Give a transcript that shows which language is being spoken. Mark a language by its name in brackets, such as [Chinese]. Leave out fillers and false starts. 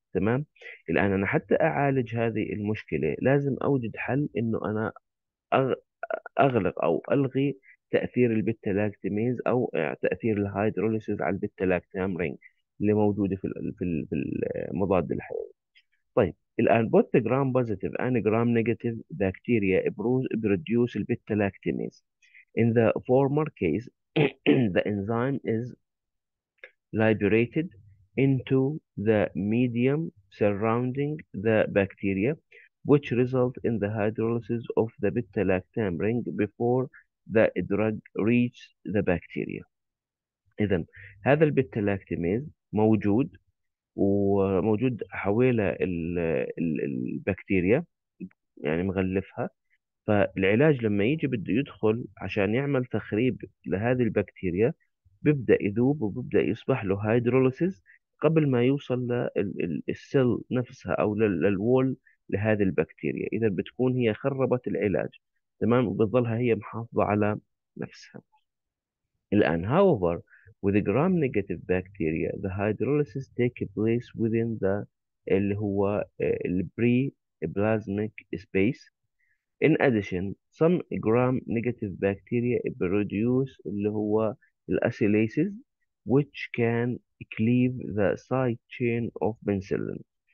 [Arabic] تمام، الآن أنا حتى أعالج هذه المشكلة لازم أوجد حل إنه أنا أغلق أو ألغي تأثير البيتا لاكتامين أو تأثير الهيدروليسيز على البيتا لاكتام رينج اللي موجودة في المضاد الحيوي. [English] طيب الآن both gram positive and gram negative bacteria produce البيتا لاكتامين. In the former case, the enzyme is liberated into the medium surrounding the bacteria, which results in the hydrolysis of the beta-lactam ring before the drug reaches the bacteria. [Arabic] إذن هذا البيتا-لاكتاميز موجود وموجود حوالى البكتيريا يعني مغلفها. فالعلاج لما يجي بده يدخل عشان يعمل تخريب لهذه البكتيريا بيبدأ يذوب وبيبدأ يصبح له هيدروليسيس قبل ما يوصل للسيل نفسها أو للوول لهذه البكتيريا. إذا بتكون هي خربت العلاج تمام وبتظلها هي محافظة على نفسها. [English] الآن however with gram negative bacteria the hydrolysis take place within the [Arabic] اللي هو البري بلازميك سبيس. [English] In addition, some gram-negative bacteria produce [Arabic] اللي هو الأسيليسز [English] which can cleave the side chain of penicillin.